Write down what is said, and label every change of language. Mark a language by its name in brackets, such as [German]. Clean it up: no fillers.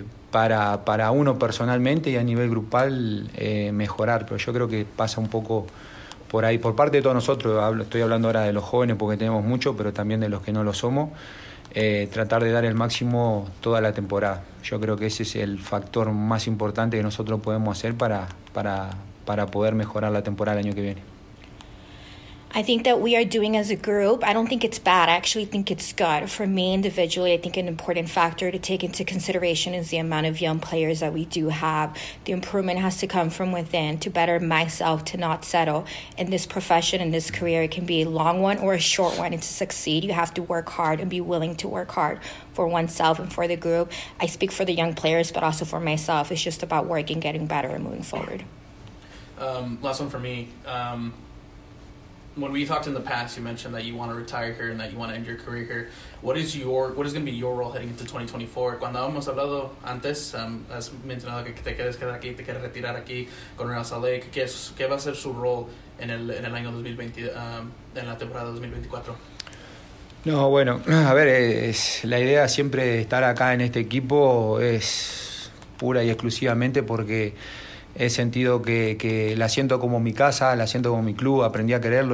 [Spanish] Para uno personalmente y a nivel grupal mejorar, pero yo creo que pasa un poco por ahí, por parte de todos nosotros. Estoy hablando ahora de los jóvenes porque tenemos mucho, pero también de los que no lo somos, tratar de dar el máximo toda la temporada. Yo creo que ese es el factor más importante que nosotros podemos hacer para poder mejorar la temporada el año que viene. [English] I think that we are doing as a group, I don't think it's bad. I actually think it's good. For me individually, I think an important factor to take into consideration is the amount of young players that we do have. The improvement has to come from within to better myself, to not settle. In this profession, in this career, it can be a long one or a short one. And to succeed, you have to work hard and be willing to work hard for oneself and for the group. I speak for the young players, but also for myself. It's just about working, getting better, and moving forward. Last one for me. When we talked in the past, you mentioned that you want to retire here and that you want to end your career here. What is going to be your role heading into 2024? [Spanish] Cuando hemos hablado antes, has mencionado que te quieres quedar aquí, te quieres retirar aquí con Real Salt Lake. ¿Qué va a ser su role en el año 2020, en la temporada 2024? No, bueno, a ver, es la idea siempre de estar acá en este equipo es pura y exclusivamente porque he sentido que la siento como mi casa, la siento como mi club, aprendí a quererlo.